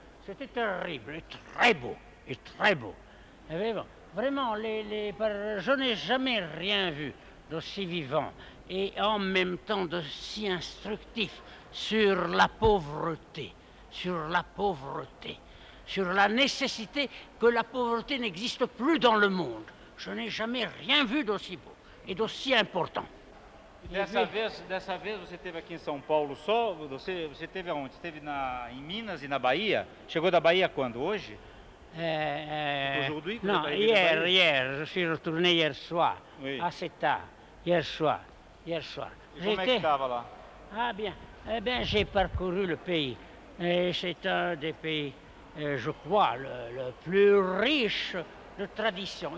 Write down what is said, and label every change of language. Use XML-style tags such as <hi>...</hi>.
<fr>C'était terrible et très beau. Et très beau. Vraiment, je n'ai jamais rien vu d'aussi vivant et en même temps de si instructif sur la pauvreté, sur la nécessité que la pauvreté n'existe plus dans le monde. Je n'ai jamais rien vu d'aussi beau et d'aussi important.</fr> <pt>Dessa vez, você esteve aqui em São Paulo só? Você esteve aonde? Esteve em Minas e na Bahia? Chegou da Bahia quando? Hoje?</pt> <fr>Hier, je suis retourné hier soir, oui. Assez tard, hier soir. Comment</fr> <pt>estava</pt> <fr>là? Ah bien, j'ai parcouru le pays, et c'est un des pays, je crois, le plus riche de traditions.</fr>